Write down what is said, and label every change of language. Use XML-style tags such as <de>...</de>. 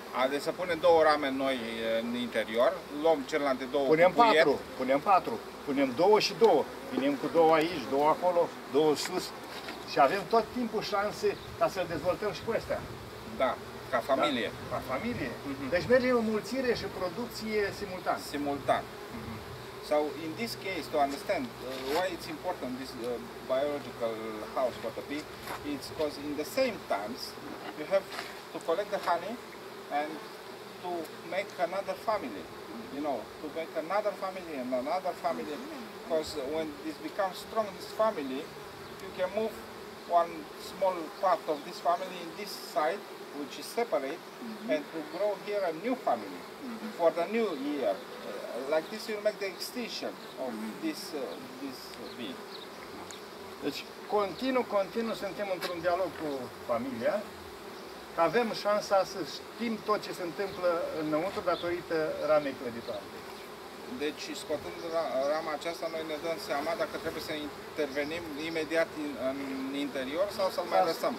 <ro>Deci să punem două rame noi în interior, luăm celelalte două. Punem patru. Punem două și două. Vinem cu două aici, două acolo, două sus. Și avem tot timpul șanse ca să-l dezvoltăm și cu astea. Da, ca familie. Da? Ca familie. Uh-huh. Deci merge în mulțire și producție simultan. Simultan.</ro> <en>Sau, so, in this case, to understand why it's important this biological house for the bee, it's because in the same times you have to collect the honey and to make another family, you know, to make another family, because when this becomes strong, this family, you can move one small part of this family in this side, which is separate, and to grow here a new family for the new year. Like this, you make the extinction of this bee.</en> <ro>Deci, continuu, suntem într-un dialog cu familia, că avem șansa să știm tot ce se întâmplă înăuntru datorită ramei clăditoare. Deci, scotând rama aceasta, noi ne dăm seama dacă trebuie să intervenim imediat în interior sau să-l mai lăsăm.</ro>